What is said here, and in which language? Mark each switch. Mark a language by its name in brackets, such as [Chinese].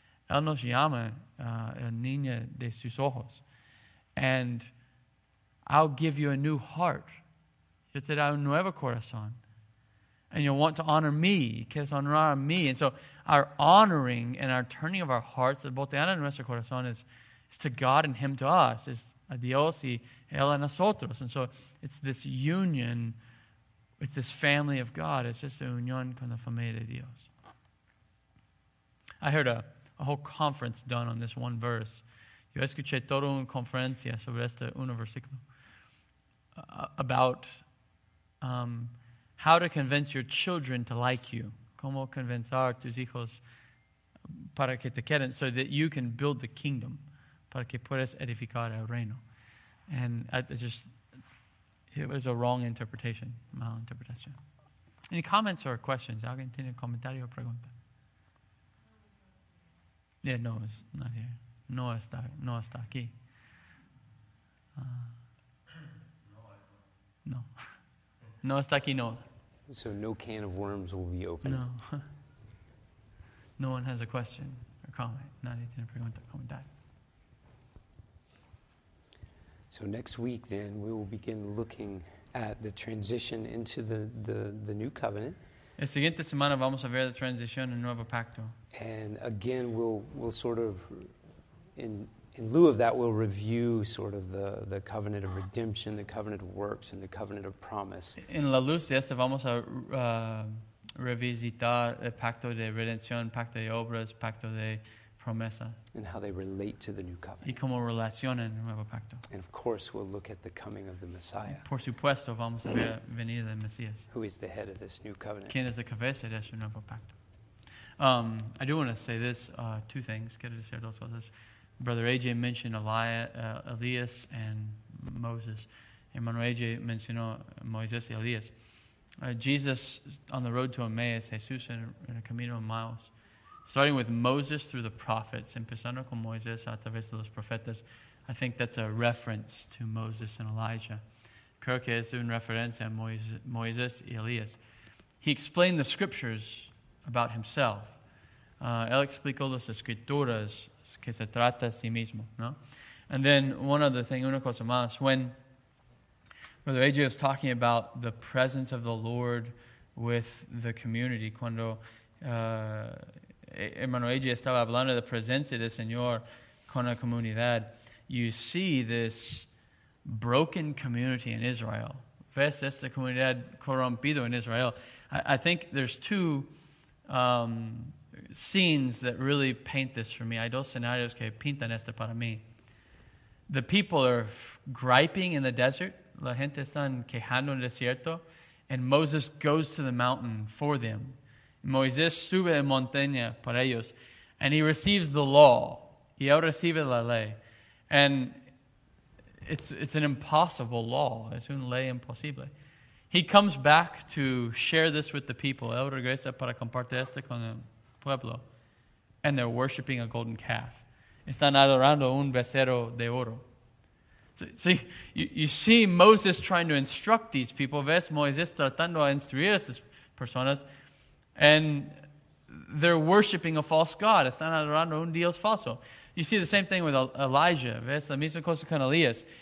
[Spanish] Él nos llama la niña de sus ojos. [English] And I'll give you a new heart. [Spanish] Yo te daré un nuevo corazón. [English] And you'll want to honor me. [Spanish] Quieres honrar a mí. [English] And so our honoring and our turning of our hearts, [Spanish] volteando nuestro corazón, [English] is to God and Him to us. [Spanish] Es a Dios y Él a nosotros. [English] And so it's this union, it's this family of God. It's just a [Spanish] unión con la familia de Dios. [English] I heard a whole conference done on this one verse. [Spanish] Yo escuché toda una conferencia sobre este uno versículo [English] about how to convince your children to like you. [Spanish] Cómo convencer tus hijos para que te quieran [English] so that you can build the kingdom, [Spanish] para que puedas edificar el reino. [English] And it was a wrong interpretation, mal interpretation. Any comments or questions? [Spanish] ¿Alguien tiene comentario o pregunta? [English] Yeah, no, it's not here. [Spanish] No está aquí. No. No está aquí, no. [English] So no can of worms will be opened. [Spanish] No. [English] No one has a question or comment. [Spanish] Nadie tiene pregunta, comentar. [English] So next week, then, we will begin looking at the transition into the new covenant. [Spanish] La siguiente semana vamos a ver la transición en el nuevo pacto. [English] And again, we'll sort of, in lieu of that, we'll review sort of the covenant of redemption, the covenant of works, and the covenant of promise. [Spanish] En la luz de esto vamos a revisitar el pacto de redención, pacto de obras, pacto de promesa. [English] And how they relate to the new covenant. [Spanish] Y cómo relacionan el nuevo pacto. [English] And of course, we'll look at the coming of the Messiah. [Spanish] Por supuesto, vamos a ver la venida del Mesías. [English] Who is the head of this new covenant. [Spanish] ¿Quién es la cabeza de este nuevo pacto? [English] I do want to say this, two things. [Spanish] Quiero decir dos cosas. [English] Brother AJ mentioned Elias and Moses. [Spanish] Hermano AJ mencionó Moisés y Elias. [English] Jesus on the road to Emmaus, [Spanish] Jesús en el camino a Emmaus, [English] starting with Moses through the prophets, [Spanish] empezando con Moisés a través de los profetas. [English] I think that's a reference to Moses and Elijah. [Spanish] Creo que es una referencia a Moisés y Elias. [English] He explained the scriptures about himself. [Spanish] Él explicó las escrituras que se trata a sí mismo, ¿no? [English] And then one other thing, [Spanish] una cosa más. [English] When Brother AJ was talking about the presence of the Lord with the community, [Spanish] cuando hermano AJ estaba hablando de la presencia del Señor con la comunidad, [English] you see this broken community in Israel. [Spanish] ¿Ves esta comunidad corrompida en Israel? [English] I think there's two scenes that really paint this for me. [Spanish] Hay dos escenarios que pintan esto para mí. [English] The people are griping in the desert. [Spanish] La gente está quejando en el desierto. [English] And Moses goes to the mountain for them. [Spanish] Moisés sube a montaña por ellos. [English] And he receives the law. [Spanish] Y él recibe la ley. [English] And it's an impossible law. [Spanish] Es una ley imposible. [English] He comes back to share this with the people. [Spanish] Él regresa para compartir esto con el pueblo. [English] And they're worshiping a golden calf. [Spanish] Están adorando un becerro de oro. [English] So you see Moses trying to instruct these people. [Spanish] Ves Moisés tratando a instruir a estas personas. [English] And they're worshiping a false god. [Spanish] Están adorando un dios falso. [English] You see the same thing with Elijah. [Spanish] Ves la misma cosa con Elías.